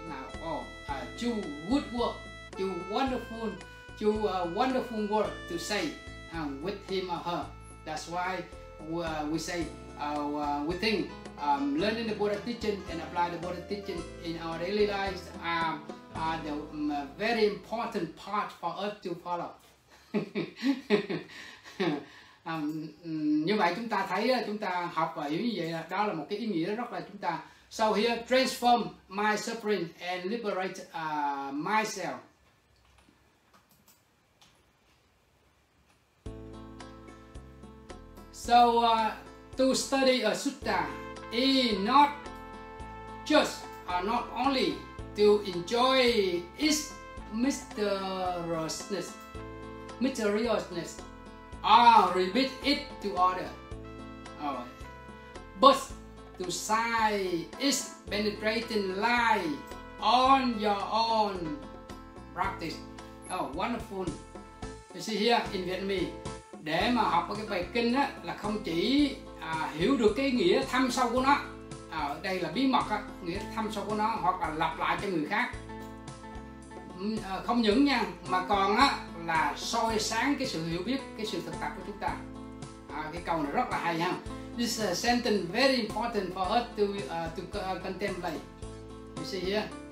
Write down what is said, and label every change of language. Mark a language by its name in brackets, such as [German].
[English] Now, do good work, do wonderful work to say with him or her. That's why. We say we think learning the Buddha teaching and apply the Buddha teaching in our daily lives are the very important part for us to follow. [Vietnamese] Như vậy chúng ta thấy chúng ta học và hiểu như vậy là đó là một cái ý nghĩa rất là chúng ta. [English] So here transform my suffering and liberate myself. So to study a sutta is not just or not only to enjoy its mysteriousness or repeat it to order, but to sigh its penetrating light on your own practice. Oh, wonderful. You see here in Vietnamese. [Vietnamese] Để mà học cái bài kinh á, là không chỉ hiểu được cái nghĩa thâm sâu của nó. Đây là bí mật á, nghĩa thâm sâu của nó, hoặc là lặp lại cho người khác. Không những nha, mà còn á, là soi sáng cái sự hiểu biết, cái sự thực tập của chúng ta. Cái câu này rất là hay ha. [English] This is a sentence very important for us to contemplate. You see here.